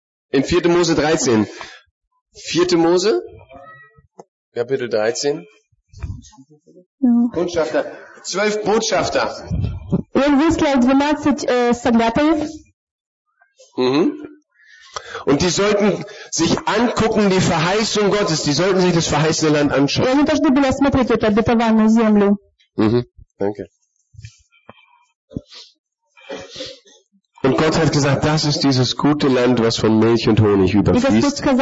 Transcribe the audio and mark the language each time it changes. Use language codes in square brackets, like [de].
[de] In 4. Mose 13, Vierte Mose, Kapitel 13. Botschafter, zwölf Botschafter. [ru] Он выслал 12 соглядатаев. [de] Und die sollten sich angucken, die Verheißung Gottes, die sollten sich das verheißene Land anschauen. [ru] Они должны были осмотреть эту обетованную землю. [de] Danke. Und Gott hat gesagt, das ist dieses gute Land, was von Milch und Honig überfließt.